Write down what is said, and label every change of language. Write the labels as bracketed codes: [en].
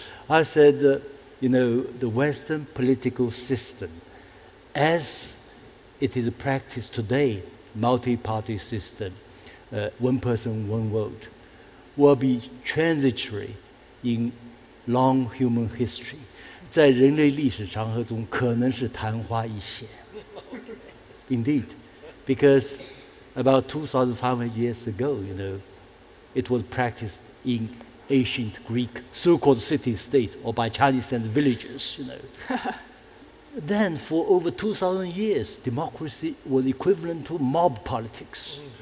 [en] I said, you know, the Western political system, as it is practiced today, multi-party system, one person, one vote, will be transitory in long human history. [zh] 在人类历史长河中可能是昙花一现. [en] Indeed, because about 2,500 years ago, you know, it was practiced in ancient Greek so-called city-state or by Chinese and villagers, you know. Then for over 2,000 years, democracy was equivalent to mob politics.